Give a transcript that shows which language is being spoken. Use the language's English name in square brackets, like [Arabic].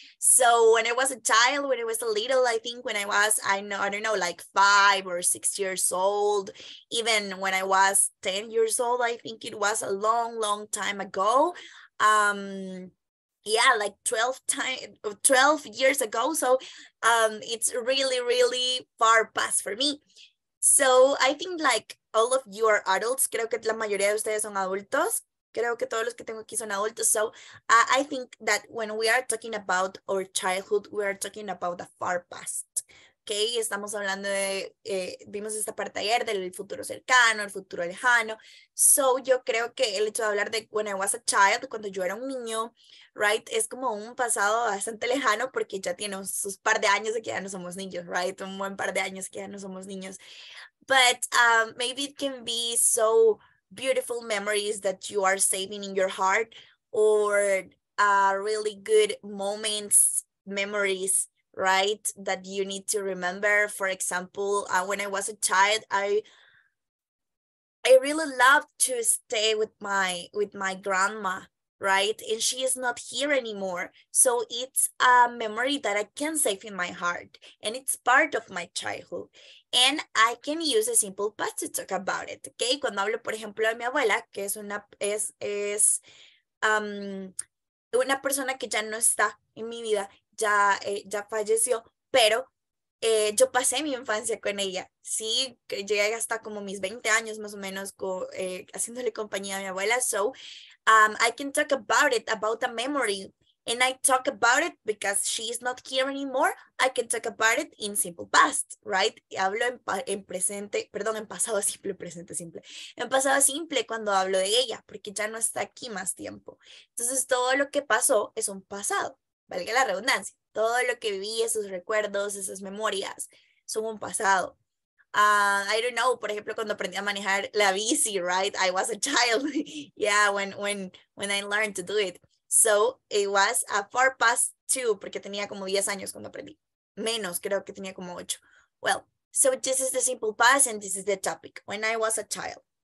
[English] So when I was a child, when I was a little, I think when I was, I don't know, like 5 or 6 years old, even when I was 10 years old, I think it was a long, long time ago. Yeah, like 12 years ago. So it's really, really far past for me. So I think like all of you are adults. [Spanish] Creo que la mayoría de ustedes son adultos. Creo que todos los que tengo aquí son adultos. [English] So I think that when we are talking about our childhood, we are talking about the far past. [Spanish] Okay, estamos hablando de, vimos esta parte ayer del futuro cercano, el futuro lejano. So yo creo que el hecho de hablar de [English] when I was a child, [Spanish] cuando yo era un niño, right, es como un pasado bastante lejano porque ya tiene sus par de años de que ya no somos niños, right, un buen par de años que ya no somos niños. [English] But maybe it can be so beautiful memories that you are saving in your heart, or really good moments, memories, right, that you need to remember. For example, when I was a child, I really loved to stay with my grandma, right? And she is not here anymore. So it's a memory that I can save in my heart, and it's part of my childhood. And I can use a simple past to talk about it, okay? [Spanish] Cuando hablo, por ejemplo, de mi abuela, que es una persona que ya no está en mi vida, ya falleció, pero yo pasé mi infancia con ella, ¿sí? Llegué hasta como mis 20 años, más o menos, haciéndole compañía a mi abuela. [English] So I can talk about it, about a memory. And I talk about it because she's not here anymore. I can talk about it in simple past, right? [Spanish] Y hablo en pasado simple. En pasado simple cuando hablo de ella, porque ya no está aquí más tiempo. Entonces todo lo que pasó es un pasado, valga la redundancia. Todo lo que viví, esos recuerdos, esas memorias, son un pasado. [English] I don't know, [Spanish] por ejemplo, cuando aprendí a manejar la bici, right? [English] I was a child. Yeah, when I learned to do it. So it was a far past too, [Spanish] porque tenía como 10 años cuando aprendí. Menos, creo que tenía como 8. [English] Well, so this is the simple past and this is the topic, when I was a child.